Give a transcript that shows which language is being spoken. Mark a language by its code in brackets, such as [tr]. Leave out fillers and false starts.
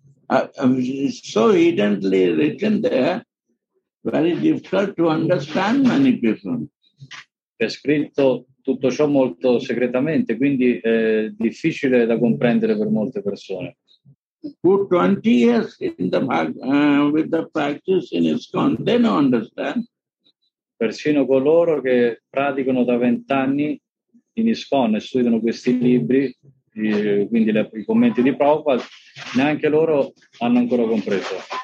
[en] so hiddenly written there, very difficult to understand many people. [it] È scritto tutto ciò molto segretamente, quindi è difficile da comprendere per molte persone. [en] For 20 years in the with the practice in ISKCON, they don't understand. [it] Persino coloro che praticano da 20 anni in ISKCON e studiano questi libri, quindi i commenti di Prabhupada, neanche loro hanno ancora compreso.